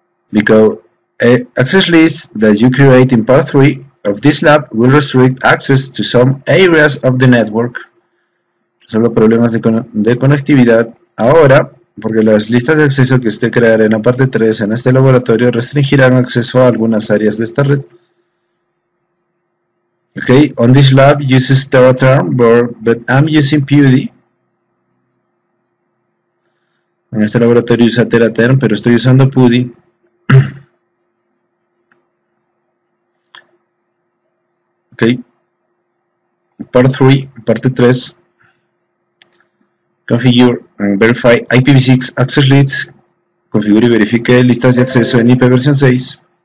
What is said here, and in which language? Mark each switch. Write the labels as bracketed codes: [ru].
[en] Because access list that you create in part 3 of this lab will restrict access to some areas of the network. [es] Resolver problemas de conectividad ahora, porque las listas de acceso que usted creará en la parte 3 en este laboratorio restringirán acceso a algunas áreas de esta red. [en] Okay, on this lab uses TerraTerm, but I'm using PUD. [es] En este laboratorio usa TerraTerm, pero estoy usando PUD. Okay. Parte 3. [en] Configure and verify IPv6 access lists. [es] Configure y verifique listas de acceso en IP versión 6.